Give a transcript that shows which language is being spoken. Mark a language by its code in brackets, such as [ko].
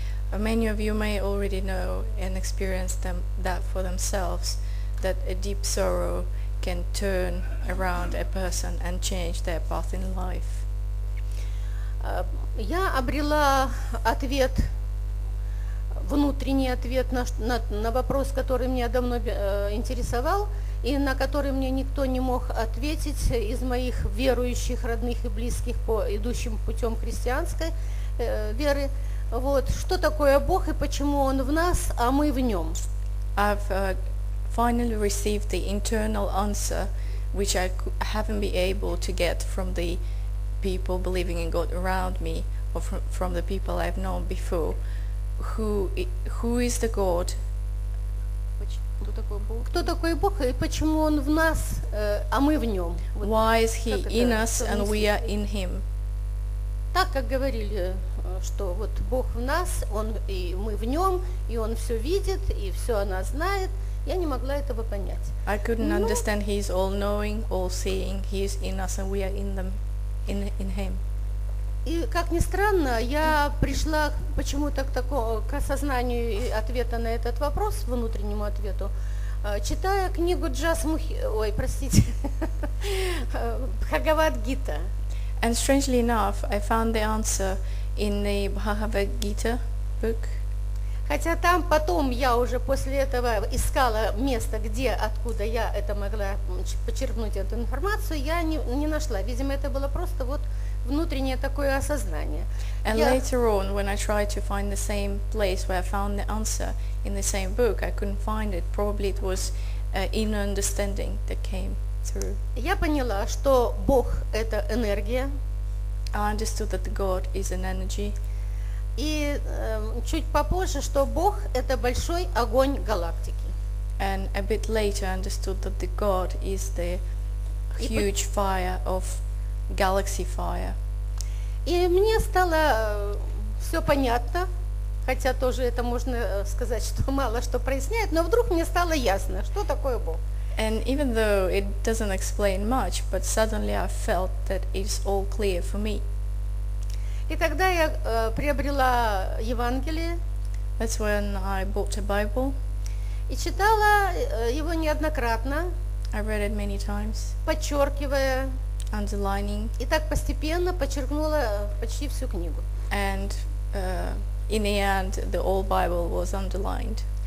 [en] Many of you may already know and experience them that for themselves, that a deep sorrow can turn around a person and change their path in life. [ru] Я обрела ответ, внутренний ответ на вопрос, который меня давно интересовал, и на который мне никто не мог ответить из моих верующих, родных и близких, по идущим путем христианской веры. Вот, что такое Бог и почему Он в нас, а мы в Нем? [en] I've finally received the internal answer, which I haven't been able to get from the people believing in God around me, or from the people I've known before, who is the God? [ru] Кто такой Бог? Кто такой Бог и почему Он в нас, а мы в Нем? [en] Why is He in us and we are in Him? [ru] Так как говорили, что вот Бог в нас, Он и мы в Нем, и Он все видит и все о нас знает, я не могла этого понять. [en] I couldn't understand. He is all knowing, all seeing. He is in us and we are in them. In him. [ru] И как ни странно, я пришла почему-то к осознанию ответа на этот вопрос, внутреннему ответу, читая книгу Бхагавад-гита. [en] And strangely enough, I found the answer in the Bhagavad-gita book. [ru] Хотя там потом я уже после этого искала место, где, откуда я это могла почерпнуть эту информацию, я не нашла. Видимо, это было просто вот внутреннее такое осознание. [en] And later on, when I tried to find the same place where I found the answer in the same book, I couldn't find it. Probably it was inner understanding that came through. [ru] Я поняла, что Бог — это энергия. [en] I understood that God is an energy. [ru] И чуть попозже, что Бог — это большой огонь галактики. [en] And a bit later, I understood that the God is the huge fire of galaxy fire. [ru] И мне стало все понятно, хотя тоже это можно сказать, что мало что проясняет, но вдруг мне стало ясно, что такое Бог. [en] And even though it doesn't explain much, but suddenly I felt that it's all clear for me. [ru] И тогда я приобрела Евангелие. [en] That's when I bought a Bible. [ru] И читала его неоднократно. [en] I read it many times. [ru] Подчеркивая. [en] Underlining. [ru] И так постепенно подчеркнула почти всю книгу. [en] And in the end, the whole Bible was underlined.